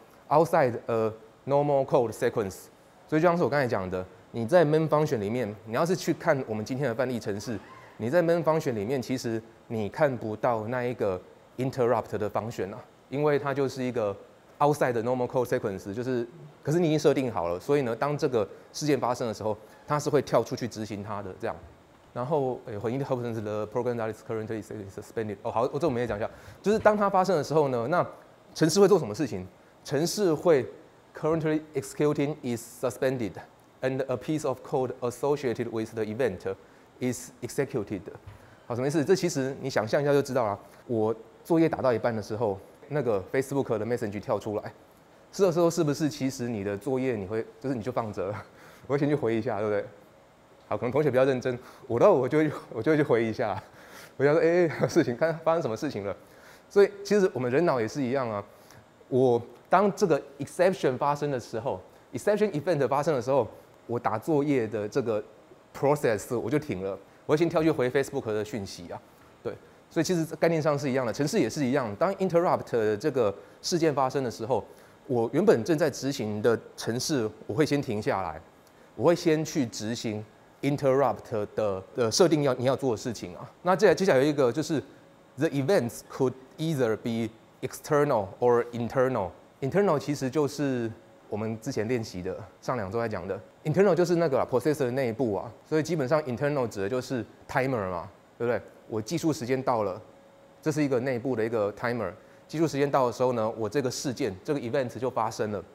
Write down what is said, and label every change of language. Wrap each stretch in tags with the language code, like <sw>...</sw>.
<en>Outside a normal code sequence，</en> <zh>所以就像是我刚才讲的，你在 main function 里面，你要是去看我们今天的范例程式，你在 main function 里面，其实你看不到那一个 interrupt 的 function 啊，因为它就是一个</zh> <en>outside the normal code sequence，</en> <zh>就是，可是你已经设定好了，所以呢，当这个事件发生的时候，它是会跳出去执行它的这样。然后，回应</zh> <en>happens the program that is currently suspended。</en> <zh>哦，好，我这我们也讲一下，就是当它发生的时候呢，那程式会做什么事情？程式会</zh> <en>currently executing is suspended and a piece of code associated with the event is executed。</en> <zh>好，什么意思？这其实你想象一下就知道了。我作业打到一半的时候，那个 Facebook 的 message 跳出来，这个时候是不是其实你的作业你就放着了，我会先去回一下，对不对？好，可能同学比较认真，我就会去回一下，我想说事情看发生什么事情了。所以其实我们人脑也是一样啊，我当这个 exception 发生的时候， exception event 发生的时候，我打作业的这个 process 我就停了，我会先跳去回 Facebook 的讯息啊，对，所以其实概念上是一样的，程式也是一样。当 interrupt 的这个事件发生的时候，我原本正在执行的程式，我会先停下来，我会先去执行 interrupt 的设定你要做的事情啊。那接下来有一个就是</zh> <en>the events could either be external or internal。</en> <zh>Internal 其实就是我们之前练习的，上两周在讲的。 Internal 就是那个 processor 内部啊，所以基本上 internal 指的就是 timer 嘛，对不对？我计数时间到了，这是一个内部的一个 timer。计数时间到的时候呢，我这个事件这个 event 就发生了。</zh>